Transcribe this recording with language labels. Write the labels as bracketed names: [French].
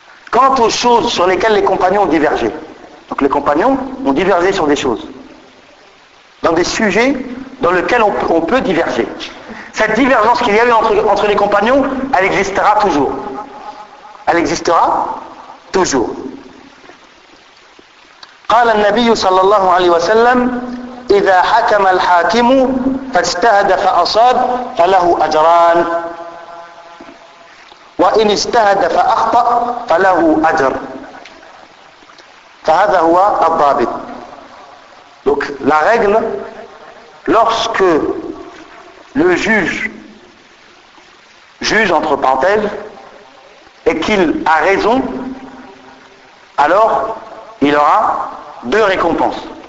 [French] Quant aux choses sur lesquelles les compagnons ont divergé, donc les compagnons ont divergé sur des choses, dans des sujets dans lesquels on peut diverger. Cette divergence qu'il y a eu entre les compagnons, elle existera toujours. Elle existera toujours. [Arabic] قال النبي صلى الله عليه وسلم إذا حكم الحاكم فاجتهد فأصاب فله أجران وإن اجتهد فأخطأ فله أجر. فهذا هو الضابط. [French] Donc la règle, lorsque le juge entre parenthèses et qu'il a raison, alors il aura deux récompenses.